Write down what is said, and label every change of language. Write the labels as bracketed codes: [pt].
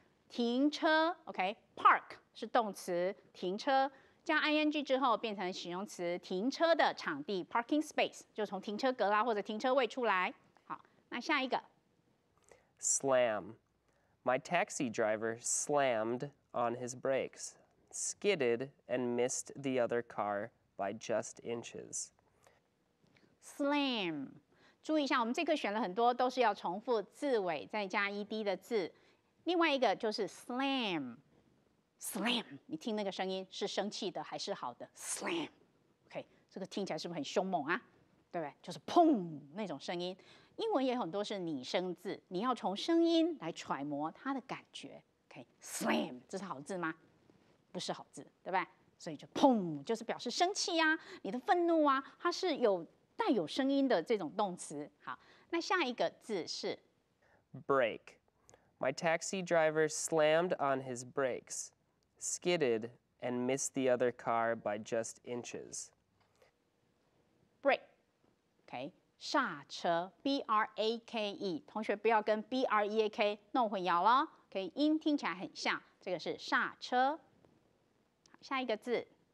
[zh] 停车 ，OK. Park 是动词，停车加 ing 之后变成形容词，停车的场地 parking space 就从停车格啦或者停车位出来。好，那下一个 [en] slam， My taxi driver slammed on his brakes, skidded, and missed the other car by just inches. Slam. [zh] 注意一下，我们这课选了很多都是要重复字尾再加 ed 的字。另外一个就是 slam， slam， 你听那个声音是生气的还是好的？ slam， OK， 这个听起来是不是很凶猛啊？对不对？就是砰那种声音。英文也很多是拟声字，你要从声音来揣摩它的感觉。 OK， slam， 这是好字吗？不是好字，对吧？所以就砰，就是表示生气啊，你的愤怒啊，它是有带有声音的这种动词。好，那下一个字是 [en] break。 My taxi driver slammed on his brakes, skidded, and missed the other car by just inches. [zh] Brake, okay, 刹车 ，B-R-A-K-E， 同学不要跟 B-R-E-A-K 弄混淆了 ，OK， 音听起来很像，这个是刹车。下一个字